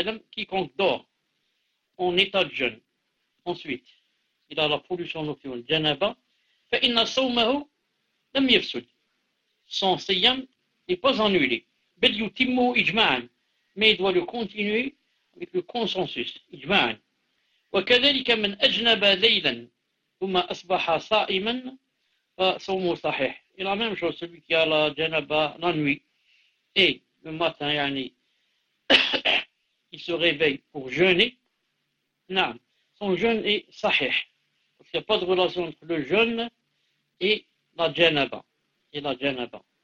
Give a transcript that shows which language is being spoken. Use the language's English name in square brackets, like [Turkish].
[French] Quiconque dort en état de jeûne, ensuite, il a la pollution nocturne, janaba, [Arabic] فَإِنَّ صَوْمَهُ لَمْ يَفْسُدْ. [French] Son siyam n'est pas annulé. [Arabic] بَلْ يُتِمُّهُ إِجْمَعًا. [French] Mais il doit le continuer avec le consensus. [Arabic] إِجْمَعًا. وَكَذَلِكَ مَنْ أَجْنَبَ لَيْلًا ثُمَّ أَصْبَحَ صَائِمًا فَصَوْمُهُ صَحِيحٌ. [French] Et la même chose, celui qui a la janaba la nuit et le matin, yani, il se réveille pour jeûner. [Arabic] نعم. [French] Son jeûne est صحيح. Il n'y a pas de relation entre le jeûne et La djennaba. Et la djennaba.